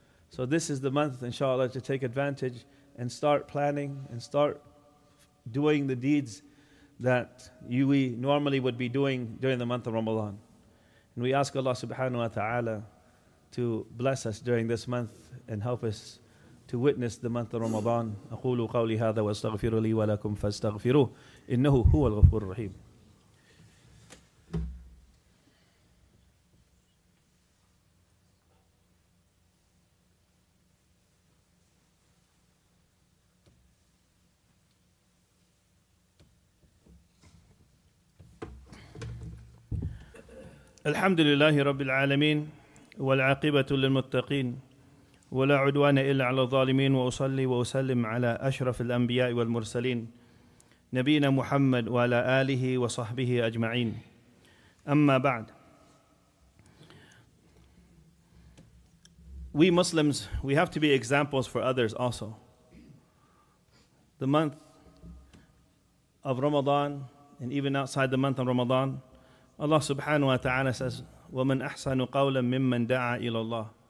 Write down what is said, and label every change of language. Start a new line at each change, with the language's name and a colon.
English: So this is the month, inshallah, to take advantage and start planning and start doing the deeds that we normally would be doing during the month of Ramadan. And we ask Allah subhanahu wa ta'ala to bless us during this month and help us to witness the month of Ramadan.
Arabic: أقول قولي هذا واستغفر لي ولكم فاستغفروه إنه هو الغفور الرحيم. الحمد لله رب العالمين والعاقبة للمتقين ولا عدوان إلا على الظالمين وأصلي وأسلم على أشرف الأنبياء والمرسلين نبينا محمد وعلى آله وصحبه أجمعين أما بعد.
English: We Muslims, we have to be examples for others also. The month of Ramadan and even outside the month of Ramadan, Allah subhanahu wa ta'ala says,
Arabic: وَمَنْ أَحْسَنُ قَوْلًا مِمَّنْ دَعَى إِلَى اللَّهِ.